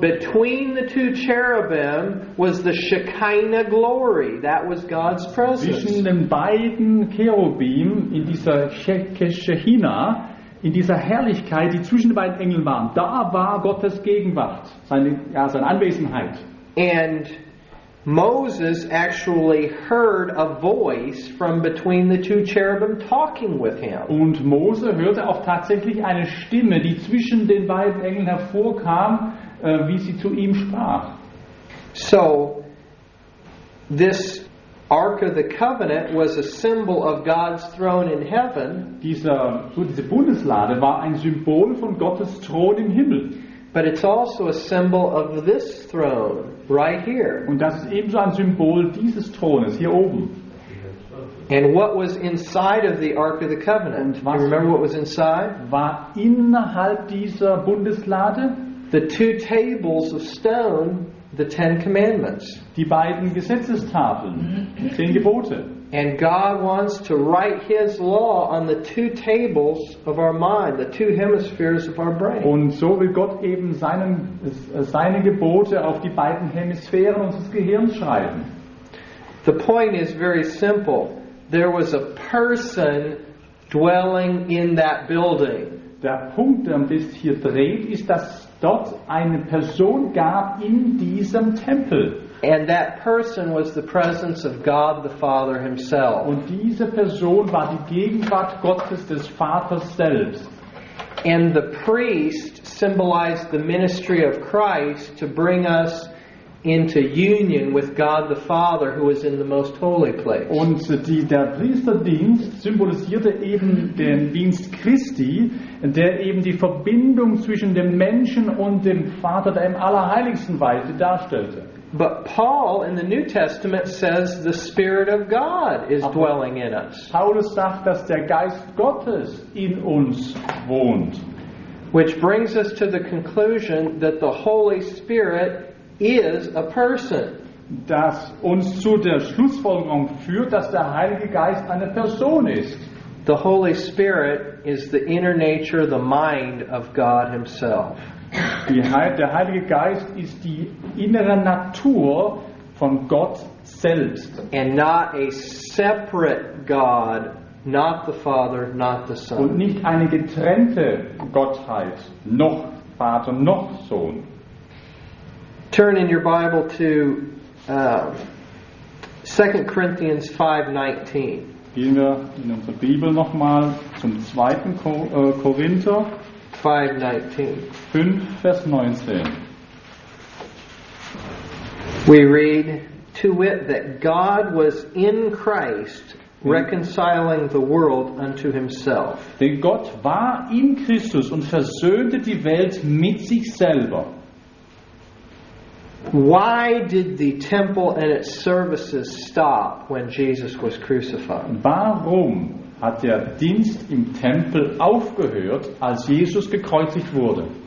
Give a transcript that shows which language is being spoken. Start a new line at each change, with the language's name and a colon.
English: between the two cherubim was the Shekinah glory. That was God's presence.
German: Zwischen den beiden Cherubim in dieser Shekinah, in dieser Herrlichkeit, die zwischen den beiden Engeln waren, da war Gottes Gegenwart, seine Anwesenheit.
English: And Moses actually heard a voice from between the two cherubim talking with him.
German: Und Mose hörte auch tatsächlich eine Stimme, die zwischen den beiden Engeln hervorkam, wie sie zu ihm sprach.
English: So, this Ark of the Covenant was a symbol of God's throne in heaven.
German: Diese Bundeslade war ein Symbol von Gottes Thron im Himmel.
English: But it's also a symbol of this throne right here.
German: Und das ist ebenso ein Symbol dieses Thrones hier oben.
English: And what was inside of the Ark of the Covenant? Do you remember what was inside?
German: War innerhalb dieser Bundeslade?
English: The two tables of stone, the Ten Commandments.
German: Die beiden Gesetzestafeln, die Zehn Gebote.
English: And God wants to write His law on the two tables of our mind, the two hemispheres of our brain.
German: Und so will Gott eben seine Gebote auf die beiden Hemisphären unseres Gehirns schreiben.
English: The point is very simple. There was a person dwelling in that building.
German: Der Punkt, um das hier dreht, ist, dass dort eine Person gab in diesem Tempel.
English: And that person was the presence of God the Father himself.
German: Und diese Person war die Gegenwart Gottes des Vaters selbst.
English: And the priest symbolized the ministry of Christ to bring us into union with God the Father, who is in the most holy place.
German: Und der Priesterdienst symbolisierte eben den Dienst Christi, der eben die Verbindung zwischen dem Menschen und dem Vater, der im Allerheiligsten Weise darstellte.
English: But Paul in the New Testament says the Spirit of God is dwelling in us.
German: Paulus sagt, dass der Geist Gottes in uns wohnt.
English: Which brings us to the conclusion that the Holy Spirit is a person.
German: Das uns zu der Schlussfolgerung führt, dass der Heilige Geist eine Person ist.
English: The Holy Spirit is the inner nature, the mind of God himself.
German: Der Heilige Geist ist die innere Natur von Gott selbst.
English: And not a separate God, not the Father, not the Son.
German: Und nicht eine getrennte Gottheit, noch Vater, noch Sohn.
English: Turn in your Bible to 2 Corinthians 5:19.
German: Gehen wir in unsere Bibel nochmal zum 2. Korinther 5, Vers 19.
English: We read, to wit, that God was in Christ reconciling the world unto himself.
German: Denn Gott war in Christus und versöhnte die Welt mit sich selber.
English: Why did the temple and its services stop when Jesus was crucified?
German: Warum hat der Dienst im Tempel aufgehört, als Jesus gekreuzigt wurde?